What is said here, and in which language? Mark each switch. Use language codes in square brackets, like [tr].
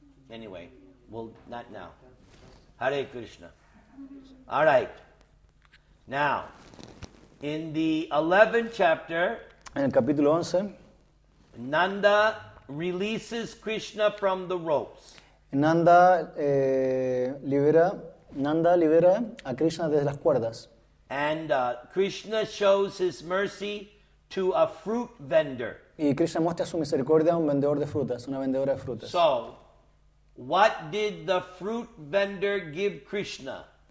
[en] Anyway, well, not now. Hare Krishna. All right. Now, in the 11th chapter, [es] en el capítulo 11, [en] Nanda releases Krishna from the ropes. [es] Nanda libera a Krishna desde las cuerdas. [en] And Krishna shows his mercy to a fruit vendor. [es] Y Krishna muestra su misericordia a un vendedor de frutas, una vendedora de frutas. [en] So, what did the fruit vendor give Krishna?